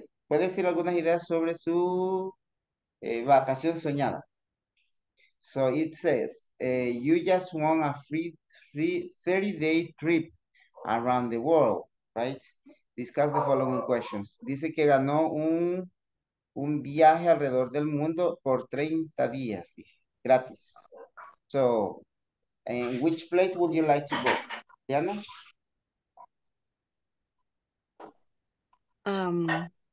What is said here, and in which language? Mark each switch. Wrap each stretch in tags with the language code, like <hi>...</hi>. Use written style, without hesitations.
<es>¿Puede decir algunas ideas sobre su vacación soñada?</es> <en>So it says, you just want a free 30-day trip around the world, right? Discuss the following questions.</en> <es>Dice que ganó un viaje alrededor del mundo por 30 días, dije. Gratis.</es> <en>So, In which place would you like to go, Diana?</en>